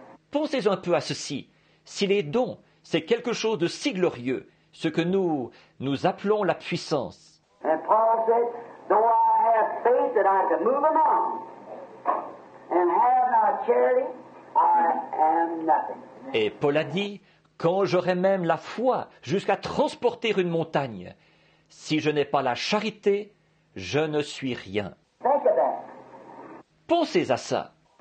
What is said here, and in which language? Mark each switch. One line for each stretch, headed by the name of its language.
French: Pensez un peu à ceci. Si les dons, c'est quelque chose de si glorieux, ce que nous appelons la puissance.
English: And Paul said, though I have faith that I can move a mountain, and have not charity, I am nothing.
French: Et Paul a dit, quand j'aurai même la foi jusqu'à transporter une montagne, si je n'ai pas la charité, je ne suis rien. Pensez à ça.